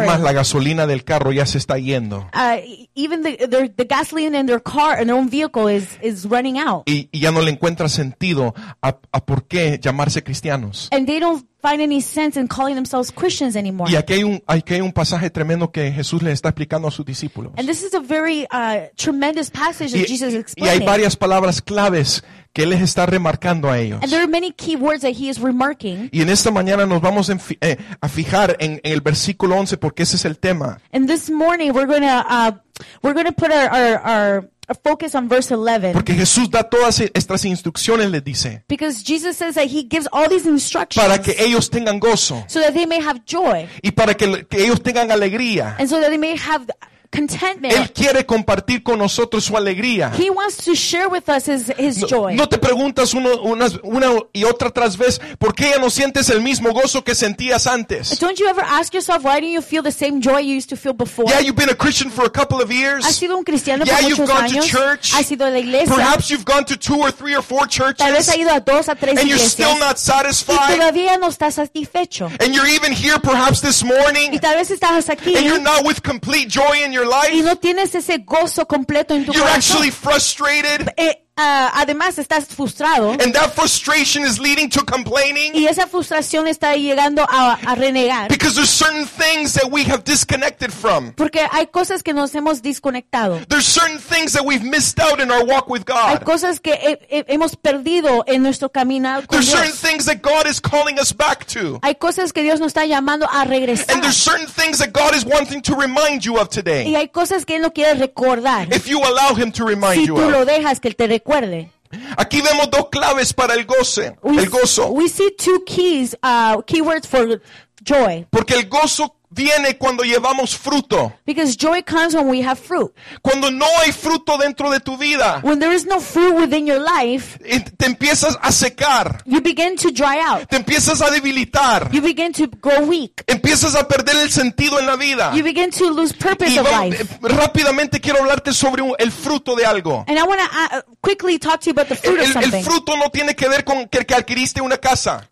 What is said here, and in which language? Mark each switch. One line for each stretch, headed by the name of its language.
Spanish: Es más, la gasolina del carro ya se está yendo.
English: Even the gasoline in their car, in their own vehicle, is running out.
Spanish: Y ya no le encuentra sentido a por qué llamarse cristianos.
English: And they don't find any sense in calling themselves Christians anymore.
Spanish: Y aquí hay un pasaje tremendo que Jesús les está explicando a sus discípulos.
English: And this is a very tremendous passage that Jesus explained.
Spanish: Y hay varias palabras claves que les está remarcando a ellos.
English: And there are many key words that he is remarking.
Spanish: Y en esta mañana nos vamos a fijar en el versículo 11 porque ese es el tema.
English: And this morning we're going to put our a focus on verse 11.
Spanish: Porque Jesús da todas estas instrucciones, les dice.
English: Because Jesus says that he gives all these instructions.
Spanish: Para que ellos tengan gozo.
English: So that they may have joy.
Spanish: Y para que ellos tengan alegría.
English: And so that they may have contentment.
Spanish: Él quiere compartir con nosotros su alegría.
English: He wants to share with us his joy.
Spanish: No te preguntas una y otra tras vez por qué ya no sientes el mismo gozo que sentías antes.
English: Don't you ever ask yourself why don't you feel the same joy you used to feel before? Yeah, you've been a Christian for a couple of years.
Spanish: Has sido un cristiano
English: yeah,
Spanish: por
English: you've
Spanish: muchos
English: gone
Spanish: años.
English: To church.
Spanish: Has sido a la iglesia.
English: Perhaps you've gone to two or three or four churches.
Spanish: Tal vez ha ido a dos a tres iglesias.
English: And you're still not satisfied.
Spanish: Y todavía no estás satisfecho.
English: And you're even here perhaps this morning.
Spanish: Y tal vez estás aquí.
English: And you're not with complete joy in your life.
Spanish: Y no tienes ese gozo completo en tu corazón.
English: You're actually frustrated.
Spanish: Además estás frustrado.
English: And that frustration is leading to complaining.
Spanish: Y esa frustración está llegando a renegar.
English: Because there's certain things that we have disconnected from.
Spanish: Porque hay cosas que nos hemos desconectado.
English: There's certain things that we've missed out in our walk with God.
Spanish: Hay cosas que hemos perdido en nuestro caminar con Dios.
English: There's certain things that God is calling us back to.
Spanish: Hay cosas que Dios nos está llamando a regresar.
English: And there's certain things that God is wanting to remind you of today.
Spanish: Y hay cosas que él no quiere recordar.
English: If you allow him to remind
Spanish: si
English: you of.
Spanish: Si tú lo dejas que él te recuerde. Aquí vemos dos claves para el goce, el gozo.
English: We see two keys, keywords for joy.
Spanish: Porque el gozo viene cuando llevamos fruto.
English: Because joy comes when we have fruit.
Spanish: Cuando no hay fruto dentro de tu vida.
English: When there is no fruit within your life.
Spanish: Te empiezas a secar.
English: You begin to dry out.
Spanish: Te empiezas a debilitar.
English: You begin to grow weak.
Spanish: Empiezas a perder el sentido en la vida.
English: You begin to lose purpose of life.
Spanish: Rápidamente quiero hablarte sobre el fruto de algo.
English: And I want to quickly talk to you about the fruit of something.
Spanish: El fruto no tiene que ver con que adquiriste una casa.